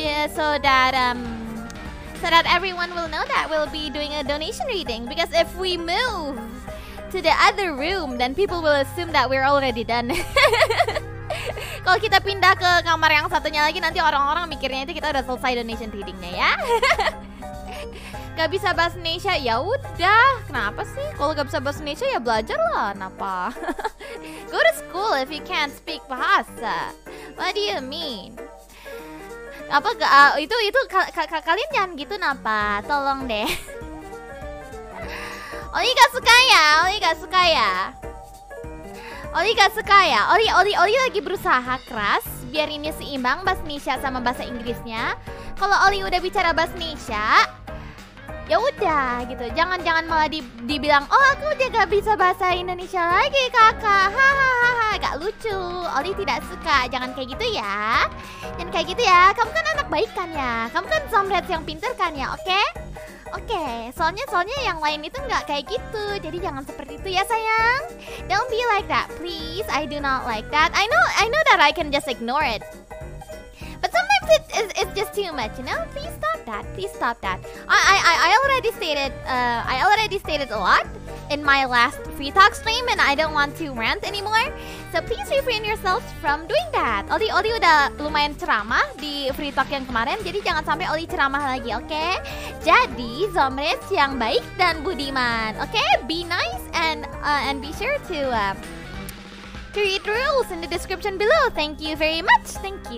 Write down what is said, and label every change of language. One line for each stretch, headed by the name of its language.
English: So that so that everyone will know that we'll be doing a donation reading, because if we move to the other room, then people will assume that we're already done.
Indonesian: Kalau kita pindah ke kamar yang satunya lagi, nanti orang-orang mikirnya itu kita udah selesai donation readingnya ya. Gak bisa bahasa Indonesia, ya udah. Kenapa sih? Kalau gak bisa bahasa Indonesia, ya belajar lah. Kenapa?
English: Go to school if you can't speak bahasa. What do you mean?
Indonesian: Apa? Kalian jangan gitu, napa? Tolong deh. Oli gak suka ya? Oli lagi berusaha keras biar ini seimbang bahasa Indonesia sama bahasa Inggrisnya. Kalau Oli udah bicara bahasa Indonesia, ya udah gitu. Jangan malah dibilang, "Oh, aku udah gak bisa bahasa Indonesia lagi, Kakak." Hahaha, gak lucu. Oli tidak suka. Jangan kayak gitu ya. Jangan kayak gitu ya. Kamu kan anak baik kan ya? Kamu kan somret yang pintar kan ya? Oke? Okay, soalnya yang lain itu gak kayak gitu. Jadi jangan seperti itu ya sayang.
English: Don't be like that, please. I do not like that. I know that I can just ignore it, but sometimes it's just too much, you know. Please stop that. I already stated a lot in my last free talk stream, and I don't want to rant anymore. So please refrain yourself from doing that.
Indonesian: Oli udah lumayan ceramah di free talk yang kemarin, jadi jangan sampai Oli ceramah lagi, oke? Jadi Zomret yang baik dan budiman, oke?
English: Be nice and be sure to create rules in the description below. Thank you very much. Thank you.